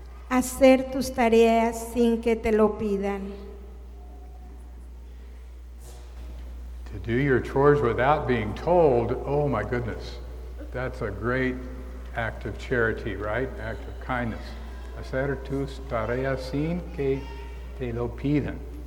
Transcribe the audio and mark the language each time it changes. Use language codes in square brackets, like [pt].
[es] Hacer tus tareas sin que te lo pidan. [en] To do your chores without being told, oh my goodness. That's a great act of charity, right? Act of kindness. [es] Hacer tus tareas sin que te lo pidan.